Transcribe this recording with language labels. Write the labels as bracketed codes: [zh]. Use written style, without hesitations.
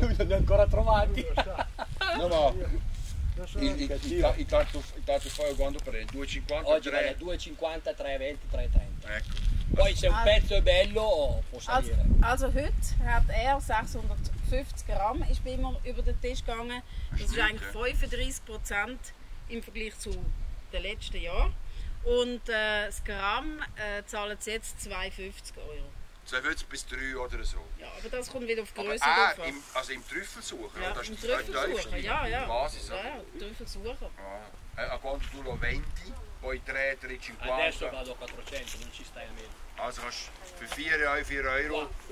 [it] Non li ho ancora trovati. No. Il tartufo quando prende? 2,50? Oggi vale 2,50, 3,20, 3,30. Ecco. Poi se un pezzo è bello, può salire. [de] Also heute hat er 650 Gramm, ist bei mir über den Tisch gegangen. Das ist eigentlich 35% im Vergleich zu dem letzten Jahr. Und das Gramm zahlt jetzt 2,50 Euro. 2,50 bis 3 oder so? Ja, aber das kommt wieder auf die Größe drauf. Also im Trüffelsucher? Ja, das im Trüffelsucher, ja. Basis, ja, Trüffelsucher. [it] A quanto tu lo vendi? Poi 3,50? Adesso vado a 400, non ci stai a meno. [de] Also hast du für 4 Euro, 4 Euro?